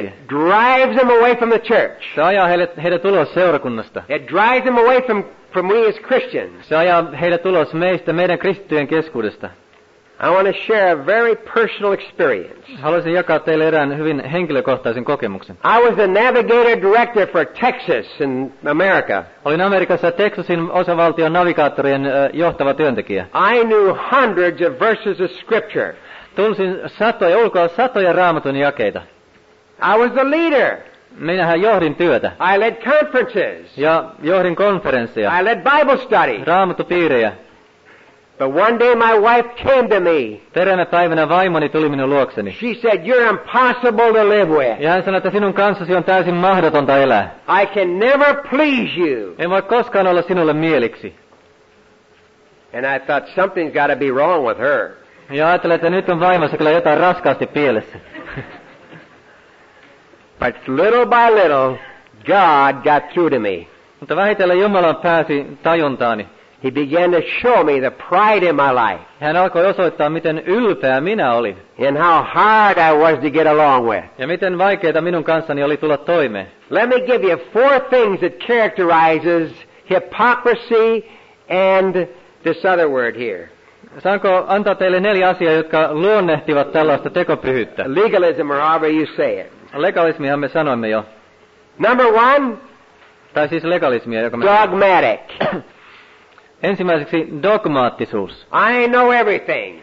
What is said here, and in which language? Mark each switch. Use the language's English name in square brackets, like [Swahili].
[English] It drives them away from the church. [Finnish] Se ajaa heidät ulos seurakunnasta. [English] It drives them away from we as Christians. [Finnish] Se ajaa heidät ulos meistä, meidän kristittyjen keskuudesta. [English] I want to share a very personal experience. [Finnish] Haluaisin jakaa teille erään hyvin henkilökohtaisen kokemuksen. [English] I was the navigator director for Texas in America. [Finnish] Olin Amerikassa Texasin osavaltion navigaattorien johtava työntekijä. [English] I knew hundreds of verses of scripture. [Finnish] Tunsin satoja, ulkoa satoja Raamatun jakeita. [English] I was the leader. [Finnish] Minähän johdin työtä. [English] I led conferences. [Finnish] Ja johdin konferenssia. [English] I led Bible study. [Finnish] Raamattupiirejä. [English] But one day my wife came to me. [Finnish] Teränä päivänä vaimoni tuli minun luokseni. [English] She said, you're impossible to live with. [Finnish] Ja hän sanoi, että sinun kanssasi on täysin mahdotonta elää. [English] I can never please you. [Finnish] En voi koskaan olla sinulle mieliksi. [English] And I thought, something's got to be wrong with her. [Finnish] Ja ajattelin, että nyt on vaimossa kyllä jotain raskaasti pielessä. [English] But little by little, God got through to me. [Finnish] Mutta vähitellen Jumala pääsi tajuntaani. [English] He began to show me the pride in my life. [Finnish] Hän alkoi osoittaa, miten ylpeä minä olin. [English] And how hard I was to get along with. [Finnish] Ja miten vaikeaa minun kanssani oli tulla toimeen. [English] Let me give you four things that characterizes hypocrisy and this other word here. [Finnish] Saanko antaa teille neljä asiaa, jotka luonnehtivat tällaista tekopyhyyttä? [English] Legalism or however you say it. [Finnish] Legalismihan me sanoimme jo. [English] Number one. [Finnish] Tai siis legalismia, joka me... [English] Dogmatic. [Finnish] Ensimmäiseksi dogmaattisuus. [English] I know everything.